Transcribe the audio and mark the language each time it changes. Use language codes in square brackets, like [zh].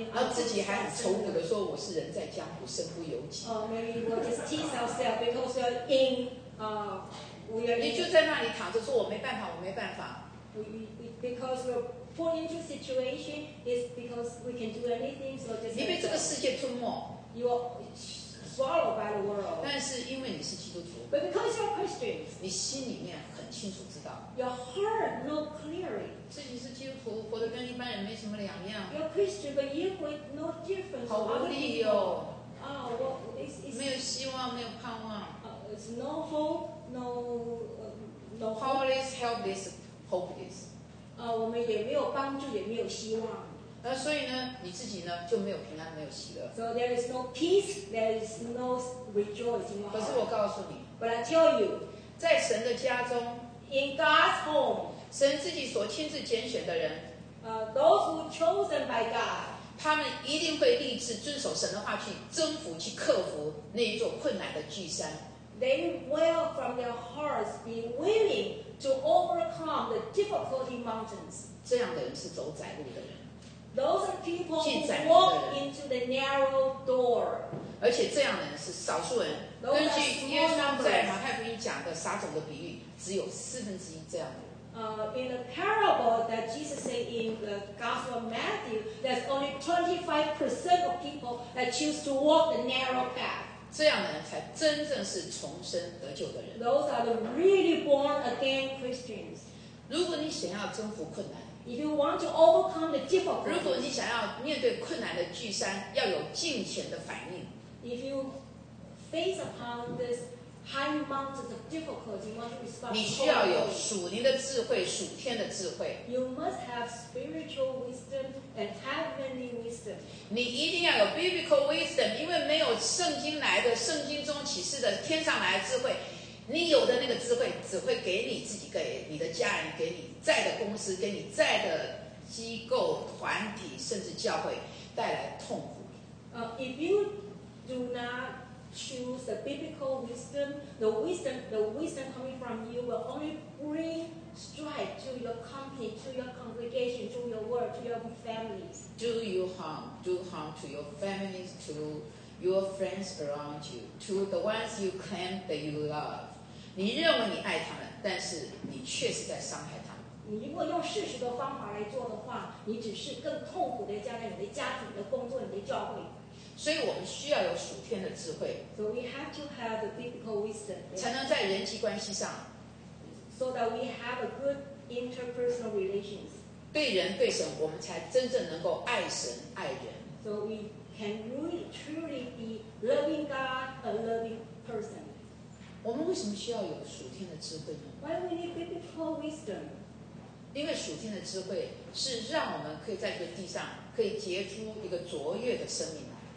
[zh] 然后自己还很愁苦的说：“我是人在江湖，身不由己。” [en] Maybe we'll just tease ourselves because we're in. [zh] 你就在那里躺着说：“我没办法，我没办法。” [en] Because we're put into situation is because we can do anything, so just. [zh] 你被这个世界吞没。 [en] You are swallowed by the world. [zh] 但是因为你是基督徒。 [en] But because you're Christians. [zh] 你心里面很清楚知道。 [en] Your heart know clearly. [zh] 自己是基督徒，活得跟一般人没什么两样。 [en] You're Christian, but you with no difference. [zh] 好无力哦。 [en] Well, [zh] 没有希望，没有盼望。 [en] It's no hope, no hope. Powerless, helpless, hopeless. [zh] 我们也没有帮助，也没有希望。所以呢，你自己呢就没有平安，没有喜乐。 [en] So there is no peace, there is no rejoicing. [zh] 可是我告诉你 [en] ，But I tell you， [zh] 在神的家中 [en] ，In God's home， [zh] 神自己所亲自拣选的人 [en] ，Those who chosen by God， [zh] 他们一定会立志遵守神的话，去征服，去克服那一座困难的巨山。 [en] They will from their hearts be willing to overcome the difficulty mountains. [zh] 这样的人是走窄路的人。 [en] Those are people who walk into the narrow door. [zh] 而且这样的人是少数人。根据耶稣在马太福音讲的撒种的比喻，只有四分之一这样的人。 [en] In the parable that Jesus said in the Gospel of Matthew, there's only 25% of people that choose to walk the narrow path. [zh] 这样的人才真正是重生得救的人。 [en] Those are the really born again Christians. [zh] 如果你想要征服困难， [en] if you want to overcome the difficulty， [zh] 如果你想要面对困难的巨山，要有敬虔的反应。 [en] If you face upon this high mountains of difficulty, you want to respond. [zh] 你需要有属灵的智慧，属天的智慧。 [en] You must have spiritual wisdom and heavenly wisdom. [zh] 你一定要有 [en] biblical wisdom， [zh] 因为没有圣经来的，圣经中启示的天上来的智慧。你有的那个智慧只会给你自己，给你的家人，给你在的公司，给你在的机构团体，甚至教会带来痛苦。 [en] If you do not choose the biblical wisdom, the wisdom coming from you will only bring strife to your company, to your congregation, to your work, to your families. Do harm to your families, to your friends around you, to the ones you claim that you love. [zh] 你认为你爱他们，但是你确实在伤害他们。你如果用事实的方法来做的话，你只是更痛苦地将来你的家庭、你的工作、你的教会。所以我们需要有属天的智慧。 [en] So we have to have the biblical wisdom. [zh] 才能在人际关系上。 [en] So that we have a good interpersonal relations. [zh] 对人对神，我们才真正能够爱神爱人。 [en] So we can really truly be loving God, a loving person. [zh] 我们为什么需要有属天的智慧呢？ [en] Why we need biblical wisdom? [zh] 因为属天的智慧是让我们可以在这个地上可以结出一个卓越的生命来。